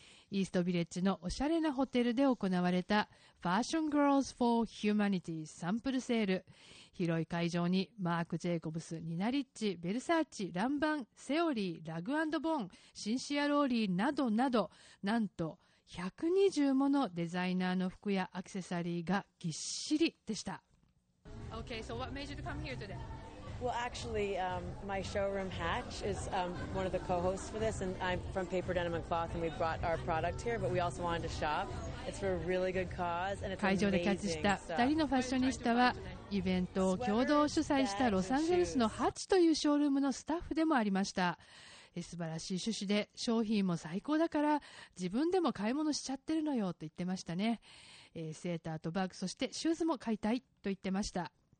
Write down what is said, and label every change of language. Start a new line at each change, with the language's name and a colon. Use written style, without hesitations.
Japanese: イーストビレッジのおしゃれなホテルで行われたファッショングロースフォーヒューマニティサンプルセール。広い会場にマーク・ジェイコブス、ニナ・リッチ、ベルサーチ、ランバン、セオリー、ラグ&ボーン、シンシア・ローリーなどなど、なんと120ものデザイナーの服やアクセサリーがぎっしりでした。
English: Okay, so what made you to come here today? Well, actually, my showroom Hatch is one of the co-hosts for this, and I'm from Paper Denim and Cloth, and we brought our product here, but we also wanted to shop. It's for a really good cause, and it's amazing.
Japanese: 会場でキャッチした2人のファッショニスタは、イベントを共同主催したロサンゼルスのハッチというショールームのスタッフでもありました。素晴らしい趣旨で、商品も最高だから自分でも買い物しちゃってるのよと言ってましたね。セーターとバッグ、そしてシューズも買いたいと言ってました。